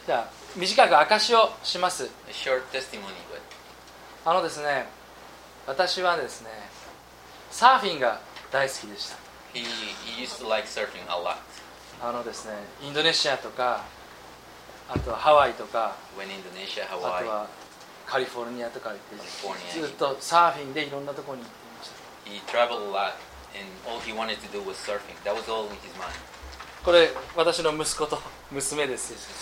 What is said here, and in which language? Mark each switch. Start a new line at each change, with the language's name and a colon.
Japanese: じゃあ、短く証しをします。
English: A short testimony, but...
Japanese: あのですね、私はですね、サーフィンが大好きでした。
English: He used to like surfing a lot.
Japanese: あのですね、インドネシアとか、あとはハワイとか、
English: When Indonesia, Hawaii,
Japanese: あとはカリフォルニアとか行って、
English: California.
Japanese: ずっとサーフィンでいろんなところに行ってました。
English: He traveled a lot, and all he wanted to do was surfing. That was all in his mind.
Japanese: これ私の息子と娘です。